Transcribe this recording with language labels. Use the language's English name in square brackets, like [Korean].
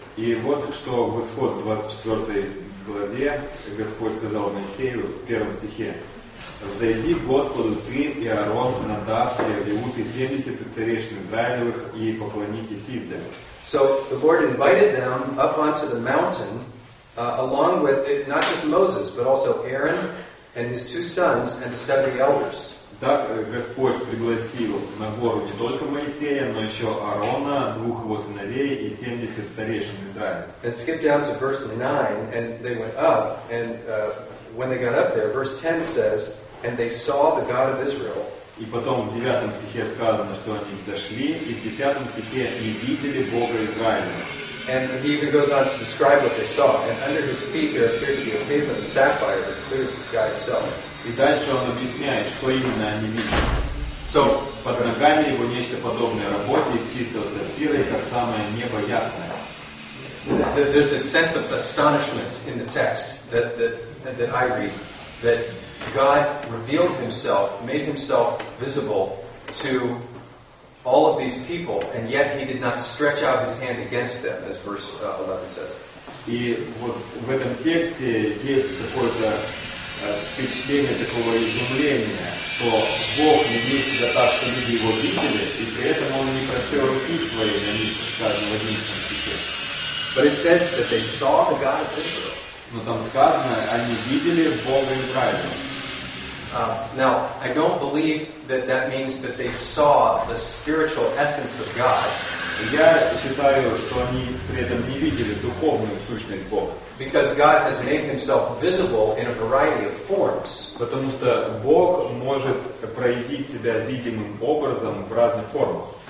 [Russian] И вот что в Исход 24 главе Господь сказал Моисею в первом стихе. «Взойди к Господу ты и Аарон, Надав и Авиуд и 70 старейшин Израилевых и поклонитесь издали». [English] So the Lord invited them up onto the mountain along with it, not just Moses, but also Aaron and his two sons and the 70 elders. [Russian] Так Господь пригласил на гору не только Моисея, но еще Аарона, двух его сыновей и 70 старейшин Израиля. [English] And skip down to verse 9, and they went up, and when they got up there, verse 10 says, and they saw the God of Israel. [Russian] И потом в 9 стихе сказано, что они взошли, и в 10 стихе и видели Бога Израиля. [English] And he even goes on to describe what they saw, and under his feet there appeared to be a pavement of sapphire as clear as the sky itself. [Russian] И дальше он объясняет, что именно они видели. [English] So, [Russian] под ногами его нечто подобное работе из чистого сапфира, и как самое небо ясное. [English] There's a sense of astonishment in the text that I read, that God revealed himself, made himself visible to all of these people, and yet he did not stretch out his hand against them, as verse 11 says. [Russian] И вот в этом тексте есть какое-то впечатление такого изумления, что Бог не видит себя так, что люди его видели, и при этом он не простер руки свои на них, скажем, в 11 стихе. [English] But it says that they saw the God of Israel. [Russian] Но там сказано, они видели Бога Израиля. [English] Now, I don't believe that that means that they saw the spiritual essence of God. [Russian] Я считаю, что они при этом не видели духовную сущность Бога. [English] Because God has made himself visible in a variety of forms. [Russian] Потому что Бог может проявить себя видимым образом в разных формах.